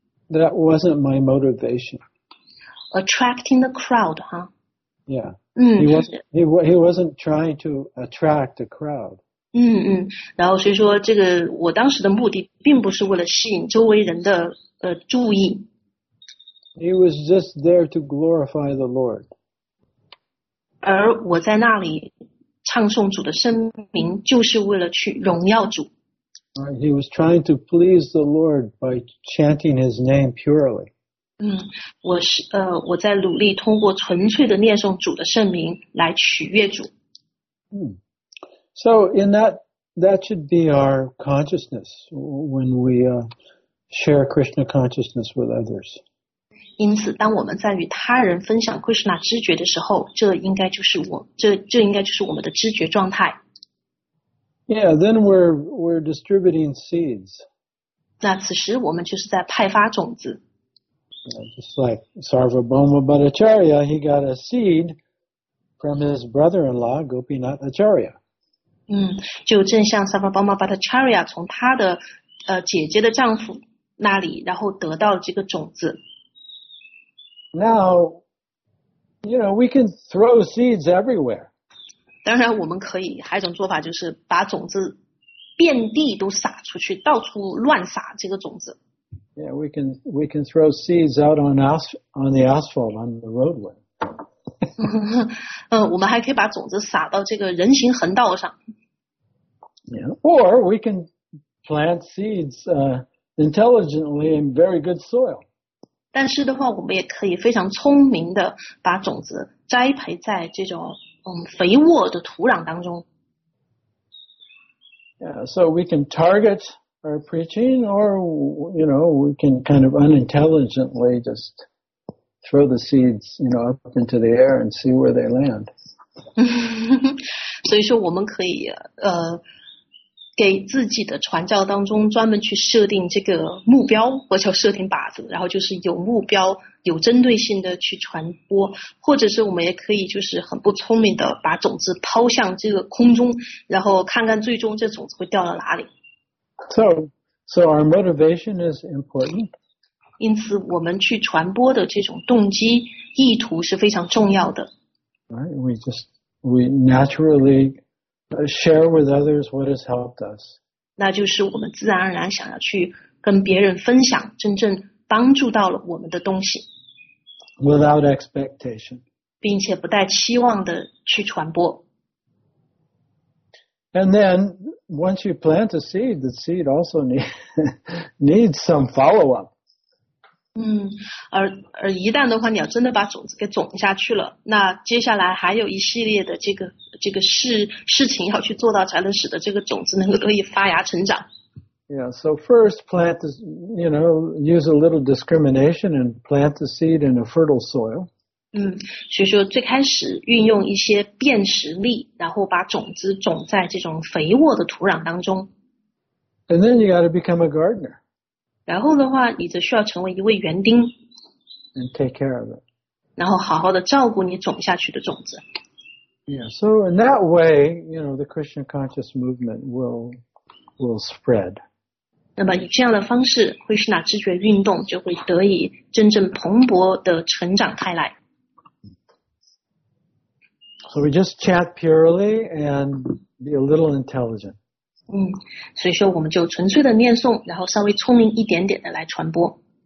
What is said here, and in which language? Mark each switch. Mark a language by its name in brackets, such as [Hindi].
[English] That wasn't my motivation. Attracting the crowd, huh? Yeah. He wasn't trying to attract a crowd. [Chinese] 然后所以说这个我当时的目的并不是为了吸引周围人的注意。 [English] He was just there to glorify the Lord. [Chinese] 而我在那里唱诵主的声名就是为了去荣耀主。 [English] He was trying to please the Lord by chanting his name purely. [Chinese] 我在努力通过纯粹的念诵主的圣名来取悦主。 [English] So in that should be our consciousness when we share Krishna consciousness with others. [Chinese] 因此，当我们在与他人分享 Krishna 知觉的时候，这应该就是我们的知觉状态。 [English] Yeah, then we're distributing seeds. [Chinese] 那此时我们就是在派发种子。 [English] Just like Sarvabhauma Bhattacharya, he got a seed from his brother-in-law, Gopinath Acharya. [Chinese] 就正像 Sarvabhauma Bhattacharya 从他的姐姐的丈夫那里，然后得到这个种子。 [English] Now, you know, we can throw seeds everywhere. [Chinese] 当然我们可以，还有一种做法就是把种子遍地都撒出去，到处乱撒这个种子。 [English] Yeah, we can throw seeds out on the asphalt on the roadway. [Chinese] 我们还可以把种子撒到这个人行横道上。 [English] Yeah, or we can plant seeds intelligently in very good soil. [Chinese] 但是的话，我们也可以非常聪明的把种子栽培在这种肥沃的土壤当中。 [English] Yeah, so we can target. Or preaching, or you know, we can kind of unintelligently just throw the seeds, you know, up into the air and see where they land. [Chinese] 所以说我们可以给自己的传教当中专门去设定这个目标，或者设定靶子，然后就是有目标、有针对性的去传播，或者是我们也可以就是很不聪明的把种子抛向这个空中，然后看看最终这种子会掉到哪里。 [English] So our motivation is important. [Chinese] 因此我们去传播的这种动机意图是非常重要的。 [English] Right, we naturally share with others what has helped us. [Chinese] 那就是我们自然而然想要去跟别人分享真正帮助到了我们的东西。 [English] Without expectation. [Chinese] 并且不带期望的去传播。 [English] And then, once you plant a seed, the seed also needs some follow-up. [Chinese] 而一旦的话，你要真的把种子给种下去了，那接下来还有一系列的这个事情要去做到，才能使得这个种子能够得以发芽成长。 [English] Yeah, so first plant the, you know, use a little discrimination and plant the seed in a fertile soil. [Chinese] 所以说最开始运用一些辨识力，然后把种子种在这种肥沃的土壤当中。 [English] And then you got to become a gardener. [Chinese] 然后的话，你就需要成为一位园丁。 [English] And take care of it. [Chinese] 然后好好的照顾你种下去的种子。 [English] Yeah, so in that way, you know, the Krishna conscious movement will spread. [Chinese] 那么以这样的方式，慧士那知觉运动就会得以真正蓬勃的成长开来。 [English] So we just chat purely and be a little intelligent. [Chinese] 所以说我们就纯粹的念诵，然后稍微聪明一点点的来传播。